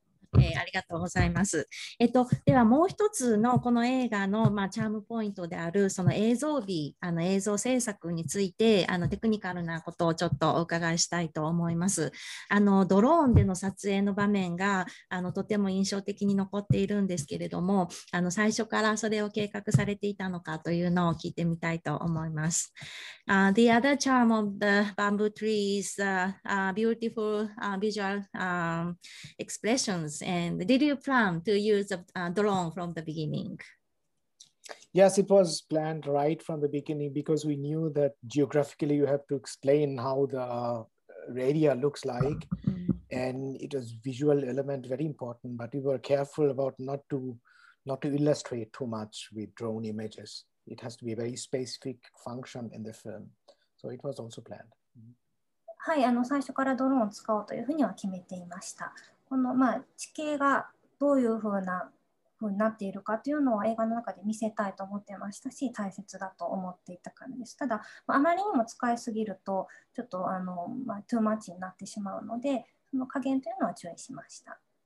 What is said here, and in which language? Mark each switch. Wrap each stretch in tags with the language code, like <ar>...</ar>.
<ja>ありがとうございます。ではもう一つのこの映画の、まあ、チャームポイントであるその映像美、あの映像制作についてあのテクニカルなことをちょっとお伺いしたいと思います。あのドローンでの撮影の場面があのとても印象的に残っているんですけれども、あの最初からそれを計画されていたのかというのを聞いてみたいと思います。</ja> <en>The other charm of the bamboo tree is beautiful visual expressions. And did you plan to use a drone from the beginning? Yes, it was planned right from the beginning because we knew that geographically you have to explain how the radio looks like. And it was visual element, very important, but we were careful about not to not to illustrate too much with drone images. It has to be a very specific function in the film. So it was also planned.、 Mm-hmm.</en> <ja>はい、最初からドローンを使おうというふうには決めていました。この、まあ、地形がどういうふうな風になっているかというのを映画の中で見せたいと思ってましたし、大切だと思っていた感じです。ただ、まあ、あまりにも使いすぎると、ちょっとまあ、トゥーマッチになってしまうので、その加減というのは注意しました。</ja>